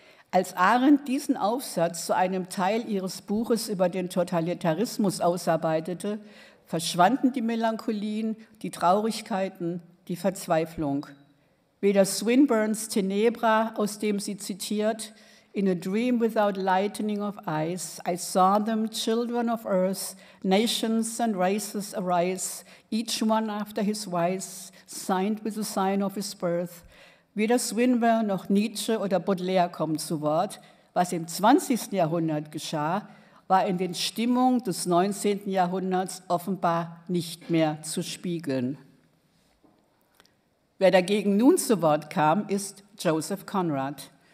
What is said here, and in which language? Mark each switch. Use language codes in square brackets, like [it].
[de] Als Arendt diesen Aufsatz zu einem Teil ihres Buches über den Totalitarismus ausarbeitete, verschwanden die Melancholien, die Traurigkeiten, die Verzweiflung. Weder Swinburnes Tenebra, aus dem sie zitiert, [en] In a dream without lightening of eyes, I saw them, children of earth, nations and races arise, each one after his wise, signed with the sign of his birth. [de] Weder Swinburne noch Nietzsche oder Baudelaire kommen zu Wort. Was im 20. Jahrhundert geschah, war in den Stimmungen des 19. Jahrhunderts offenbar nicht mehr zu spiegeln. Wer dagegen nun zu Wort kam, ist Joseph Conrad.